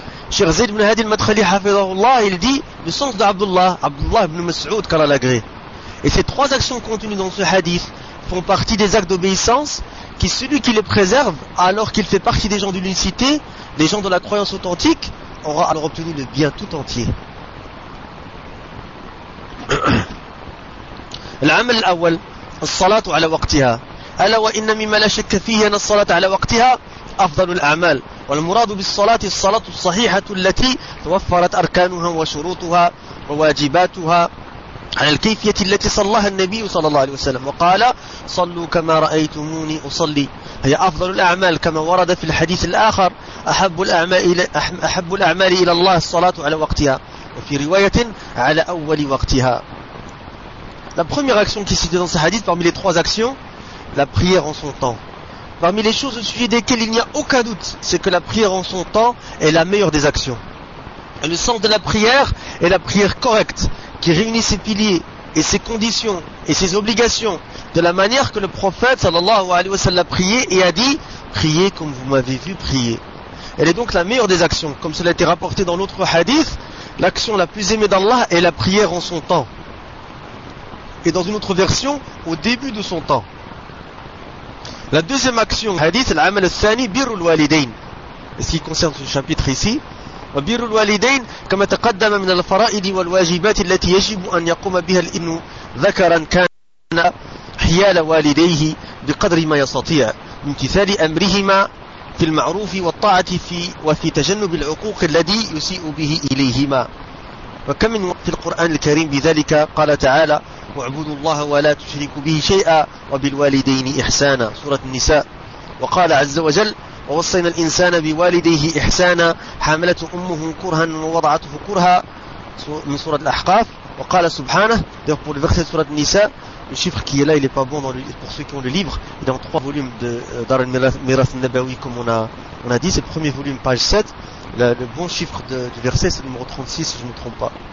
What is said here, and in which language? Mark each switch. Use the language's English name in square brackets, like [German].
[Arabic] شيخ زيد بن هادي المدخلي حفظه الله الذي بصنف عبد الله عبد الله بن مسعود كرا لغري. [French] Et ces trois actions contenues dans ce hadith font partie des actes d'obéissance qui celui qui les préserve alors qu'il fait partie des gens de l'unicité, des gens de la croyance authentique, aura alors obtenu le bien tout entier. [Arabic] العمل الأول الصلاة على وقتها. ألا وإن مما لا شك فيه أن الصلاة على وقتها أفضل الأعمال. والمراد بالصلاة الصلاة الصحيحة التي توفرت أركانها وشروطها وواجباتها على الكيفية التي صلىها النبي صلى الله عليه وسلم، وقال صلوا كما رأيتموني أصلي، هي أفضل الأعمال كما ورد في الحديث الآخر أحب الأعمال إلى الله الصلاة على وقتها، وفي رواية على أول وقتها. [French] La première action qui cite dans ce hadith parmi les trois actions, la prière en son temps. Parmi les choses au sujet desquelles il n'y a aucun doute, c'est que la prière en son temps est la meilleure des actions. Et le sens de la prière est la prière correcte, qui réunit ses piliers et ses conditions et ses obligations de la manière que le prophète sallallahu alayhi wa sallam a prié et a dit « Priez comme vous m'avez vu prier ». Elle est donc la meilleure des actions. Comme cela a été rapporté dans l'autre hadith, l'action la plus aimée d'Allah est la prière en son temps. Et dans une autre version, au début de son temps. La deuxième action, hadith, [Arabic] l'amal al-thani, birrul walidain. [French] Et ce qui concerne ce chapitre ici, [Arabic] وبر الوالدين كما تقدم من الفرائض والواجبات التي يجب أن يقوم بها الإبن ذكرا كان حيال والديه بقدر ما يستطيع امتثال أمرهما في المعروف والطاعة في وفي تجنب العقوق الذي يسيء به إليهما. وكم من وقت القرآن الكريم بذلك، قال تعالى واعبدوا الله ولا تشركوا به شيئا وبالوالدين إحسانا سورة النساء. وقال عز وجل ووصينا الإنسان بوالديه إحسانا حملت أمه كرها ووضعته كرها من سورة الأحقاف. وقال سبحانه [French] donc pour le verset سورة النساء le chiffre qui est là il est pas bon dans le, pour ceux qui ont le livre il est dans trois volumes de Dar al-Miras al-Nabawi comme on a dit c'est le premier volume page 7 le bon chiffre du verset c'est le numéro 36 si je ne me trompe pas.